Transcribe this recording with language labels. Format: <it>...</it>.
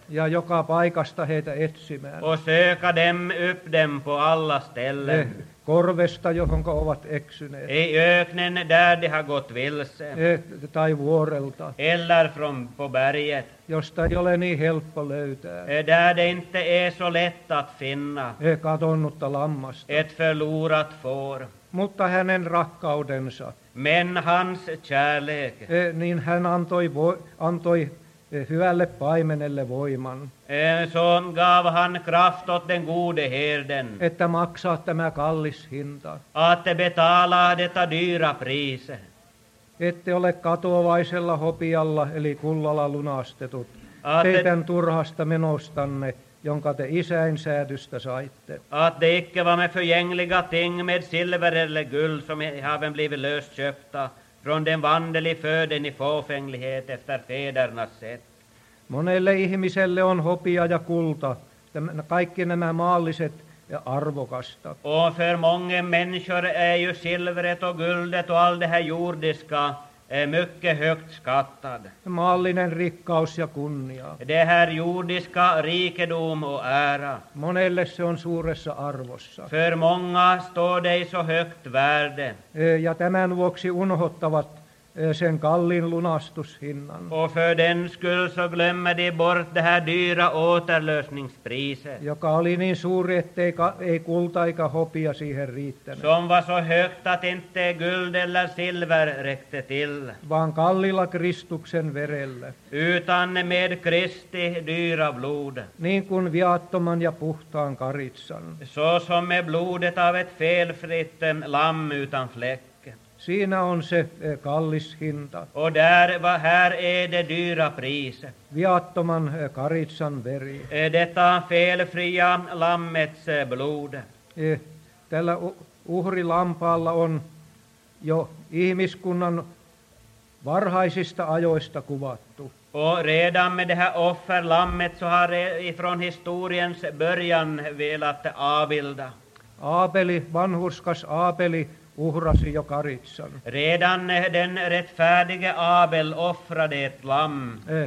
<fi>Ja joka paikasta heitä etsimään.</fi> <sv>Och söka dem upp dem på alla ställen.</sv> <fi>Korvesta, johonka ovat eksyneet.</fi> <sv>Ei öknen där de har gått vilse.</sv> <fi>Tai vuorelta.</fi> <sv>Eller från på berget.</sv> <fi>Josta ei ole niin helppo löytää.</fi> <sv>Där det inte är så lätt att finna.</sv> <fi>Katonnutta lammasta.</fi> <sv>Ett förlorat får.</sv> <fi>Mutta hänen rakkaudensa.</fi> <sv>Men hans kärlek.</sv> <fi>Niin hän antoi hyvälle paimenelle voiman.</fi> <sv>Så gav han kraft åt den gode herden.</sv> <fi>Että maksaa tämä kallis hinta.</fi> <sv>Att betala detta dyra pris.</sv> <fi>Ette ole katoavaisella hopialla, eli kullalla lunastetut. Teidän turhasta menostanne, jonka te isäin säädystä saitte.</fi> <sv>Att det icke var med förgängliga ting med silver eller guld som haven blivit lösköpta. Från den vandel i föden i fåfänglighet efter federnas sätt.</sv> <fi>Monelle ihmiselle on hopia ja kulta. Kaikki nämä maalliset ja arvokasta.</fi> <sv>Och för många människor är ju silveret och guldet och all det här jordiska mycket högt skattad.</sv> <fi>Maallinen rikkaus ja kunnia.</fi> <sv>Det här jordiska rikedom och ära.</sv> <fi>Monelle se on suuressa arvossa.</fi> <sv>För många står det i så högt värde.</sv> <fi>Ja tämän vuoksi unohottavat sen kallin lunastushinnan.</fi> <sv>Och för den skull så glömmer de bort det här dyra återlösningspriset.</sv> <fi>Joka oli niin suuri, ettei ei kulta eikä hopia siihen riittänyt.</fi> <sv>Som var så högt att inte guld eller silver räckte till.</sv> <fi>Vaan kallilla Kristuksen verellä.</fi> <sv>Utan med Kristi dyra blod.</sv> <fi>Niin kuin viattoman ja puhtaan karitsan.</fi> <sv>Så som med blodet av ett felfritt lamm utan fläck.</sv> <fi>Siinä on se kallis hinta.</fi> <sv>Och där var här är det dyra pris.</sv> <fi>Viattoman karitsan veri.</fi> <sv>Detta felfria lammets blod.</sv> <fi>tällä uhrilampaalla on jo ihmiskunnan varhaisista ajoista kuvattu.</fi> <sv>Och redan med det här offerlammet så har ifrån historiens början velat avbilda.</sv> <fi>Aabeli, vanhurskas Aabeli, uhrasi jo karitsan.</fi> <sv>Redan den rättfärdige Abel offrade ett lamm.</sv>